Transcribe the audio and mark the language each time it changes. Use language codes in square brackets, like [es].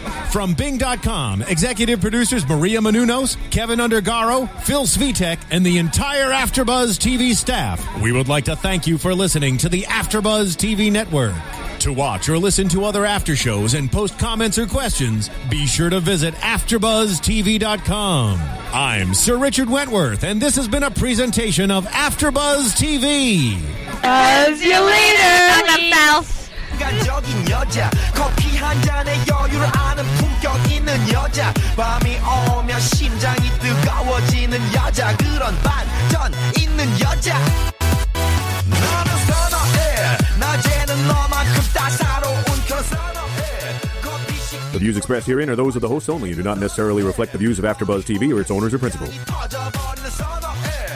[en] From Bing.com, executive producers Maria Menounos, Kevin Undergaro, Phil Svitek, and the entire AfterBuzz TV staff, we would like to thank you for listening to the AfterBuzz TV network. To watch or listen to other after shows and post comments or questions, be sure to visit AfterBuzzTV.com. I'm Sir Richard Wentworth, and this has been a presentation of AfterBuzz TV. Buzz you later! Buzz. [ko] 감각적인 여자 커피 한 잔에 여유를 아는 품격 있는 여자 밤이 오면 심장이 뜨거워지는 여자 그런 반전 있는 여자 너는 선어해 낮에는 너만큼 따사로운 그런 선어해. [en] The views expressed herein are those of the hosts only and do not necessarily reflect the views of AfterBuzz TV or its owners or principals.